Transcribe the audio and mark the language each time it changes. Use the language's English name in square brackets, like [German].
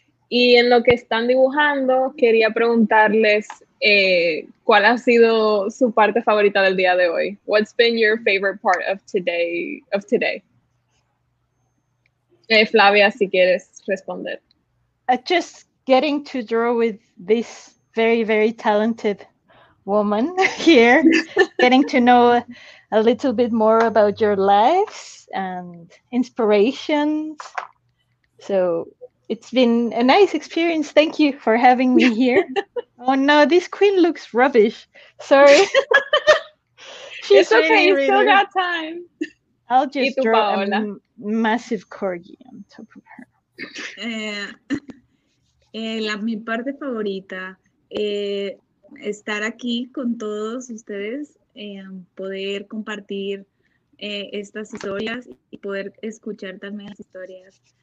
[Spanish] Y en lo que están dibujando, quería preguntarles cuál ha sido su parte favorita del día de hoy. [English] What's been your favorite part of today? [Spanish] Flavia, si quieres responder. [English] Just getting to draw with this very, very talented woman here, getting to know a little bit more about your lives and inspirations. So it's been a nice experience. Thank you for having me here. Oh no, this queen looks rubbish. Sorry. She's it's okay, you still got time. I'll just draw a massive corgi on top of her. [Spanish] Mi parte favorita, estar aquí con todos ustedes, poder compartir estas historias y poder escuchar también las historias.